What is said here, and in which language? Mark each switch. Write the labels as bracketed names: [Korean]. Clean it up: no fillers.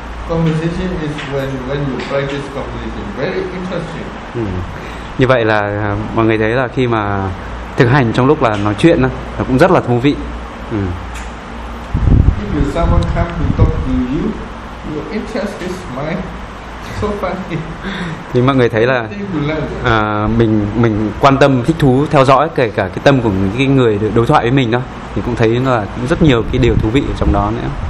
[English] Conversation is when you practice conversation, very interesting. [Vietnamese] Như vậy là mọi người thấy là khi mà thực hành trong lúc là nói chuyện đó, nó cũng rất là thú vị. [English] If someone comes to talk to you, your interest is mine. So funny. [Vietnamese] Thì mọi người thấy là mình quan tâm, thích thú theo dõi kể cả cái tâm của những cái người đối thoại với mình đó, thì cũng thấy là cũng rất nhiều cái điều thú vị ở trong đó nữa.